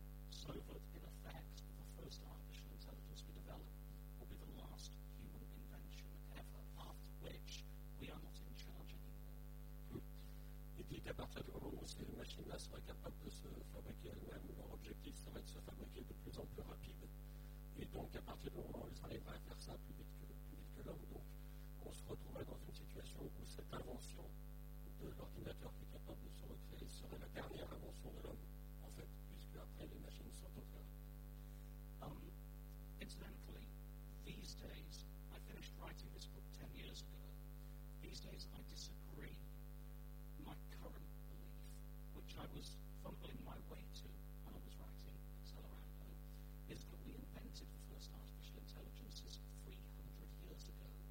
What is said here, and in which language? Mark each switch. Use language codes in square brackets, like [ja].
[en] So that, in effect, the first artificial intelligence we develop will be the last human invention ever, after which we are not in charge anymore. [fr] Et dit qu'à partir du moment où ces machines-là seraient capables de se fabriquer elles-mêmes, leur objectif serait de se fabriquer de plus en plus rapide. Et donc, à partir du moment où elles arriveraient à faire ça plus vite que l'homme, donc, on se retrouverait dans une situation où cette invention de l'ordinateur qui est capable de se recréer serait la dernière invention de l'homme, en fait, puisque après les machines sont en train. [en] Incidentally, these days, I finished writing this book 10 years ago. These days, I disagree. My current belief, which I was fumbling my way to when I was writing Accelerando, is that we invented the first artificial intelligences 300 years ago.